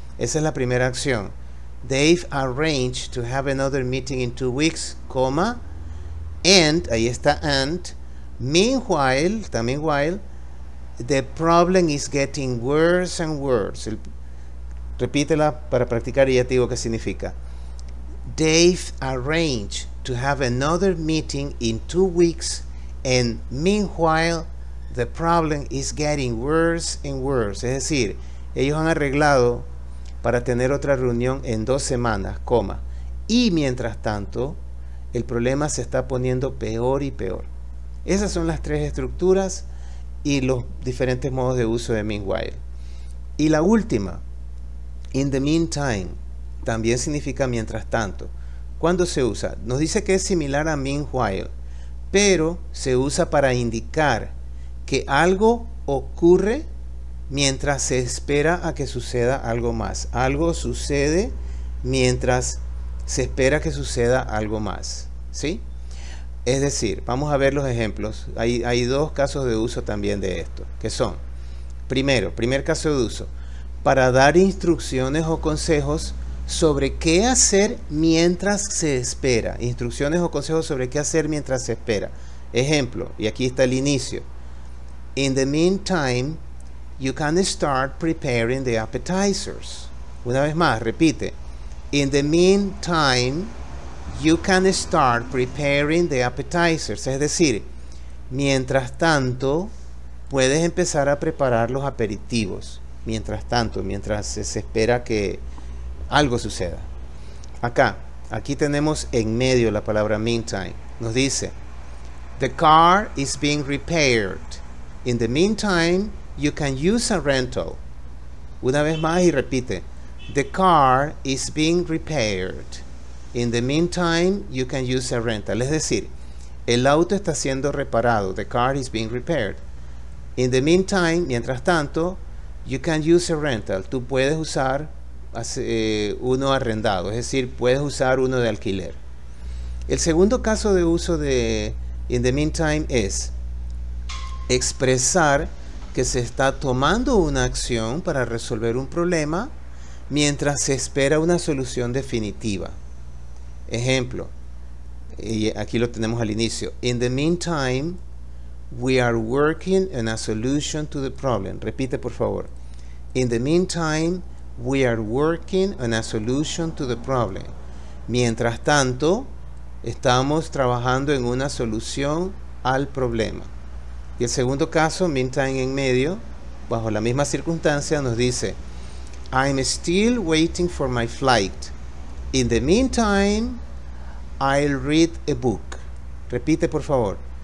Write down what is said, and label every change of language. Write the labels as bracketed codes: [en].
[es] Esa es la primera acción. [en] Dave arranged to have another meeting in 2 weeks, coma, and, [es] ahí está [en] and, meanwhile, también while, the problem is getting worse and worse. [es] Repítela para practicar y ya te digo qué significa. [en] Dave arranged to have another meeting in 2 weeks, and meanwhile, the problem is getting worse and worse. [es] Es decir, ellos han arreglado para tener otra reunión en 2 semanas, coma. Y mientras tanto, el problema se está poniendo peor y peor. Esas son las tres estructuras y los diferentes modos de uso de meanwhile. Y la última, in the meantime, también significa mientras tanto. ¿Cuándo se usa? Nos dice que es similar a meanwhile, pero se usa para indicar que algo ocurre mientras se espera a que suceda algo más. Algo sucede mientras se espera que suceda algo más. ¿Sí? Es decir, vamos a ver los ejemplos. Hay dos casos de uso también de esto, que son, primer caso de uso, para dar instrucciones o consejos sobre qué hacer mientras se espera. Instrucciones o consejos sobre qué hacer mientras se espera. Ejemplo, y aquí está el inicio. [en] In the meantime, you can start preparing the appetizers. [es] Una vez más, repite. [en] In the meantime, you can start preparing the appetizers. [es] Es decir, mientras tanto, puedes empezar a preparar los aperitivos. Mientras tanto, mientras se espera que algo suceda. Acá, aquí tenemos en medio la palabra meantime. [en] Nos dice, the car is being repaired. In the meantime, you can use a rental. [es] Una vez más y repite. [en] The car is being repaired. In the meantime, you can use a rental. [es] Es decir, el auto está siendo reparado. [en] The car is being repaired. In the meantime, [es] mientras tanto, [en] you can use a rental. [es] Tú puedes usar uno arrendado. Es decir, puedes usar uno de alquiler. El segundo caso de uso de in the meantime es expresar que se está tomando una acción para resolver un problema mientras se espera una solución definitiva. Ejemplo, y aquí lo tenemos al inicio. [en] In the meantime, we are working on a solution to the problem. [es] Repite, por favor. [en] In the meantime, we are working on a solution to the problem. [es] Mientras tanto, estamos trabajando en una solución al problema. Y el segundo caso, meantime en medio, bajo la misma circunstancia, nos dice, [en] I'm still waiting for my flight. In the meantime, I'll read a book. [es] Repite, por favor.